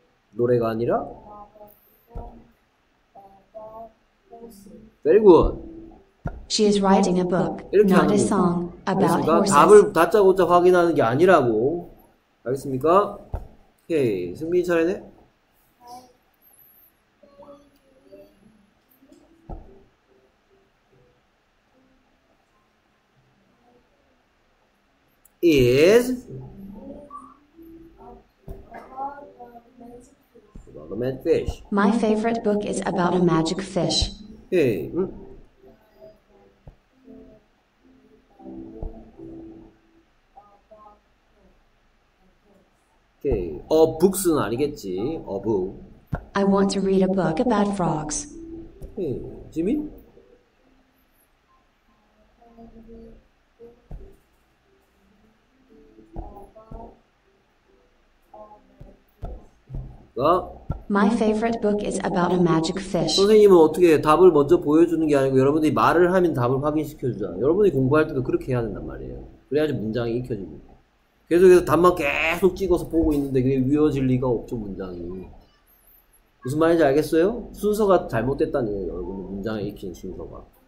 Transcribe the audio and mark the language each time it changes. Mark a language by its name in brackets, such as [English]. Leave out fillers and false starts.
[Korean] 노래가 아니라? [English] Very good. She is writing a book, not a song about horses. [Korean] 답을 다짜고짜 확인하는 게 아니라고. 알겠습니까? 오케이, 승민이 잘하네. [English] 네. Is about a magic fish. My favorite book is about a magic fish. [Korean] 오케이. 오케이. A book은 아니겠지. [English] A book. I want to read a book about frogs. [Korean] 예, 지민? 어? [English] My favorite book is about a magic fish. [Korean] 선생님은 어떻게 답을 먼저 보여주는 게 아니고 여러분들이 말을 하면 답을 확인시켜주잖아. 여러분들이 공부할 때도 그렇게 해야 된단 말이에요. 그래야지 문장이 익혀지고. 계속해서 답만 계속 찍어서 보고 있는데 그게 위워질 리가 없죠, 문장이. 무슨 말인지 알겠어요? 순서가 잘못됐다는 거예요, 여러분. 문장에 익힌 순서가.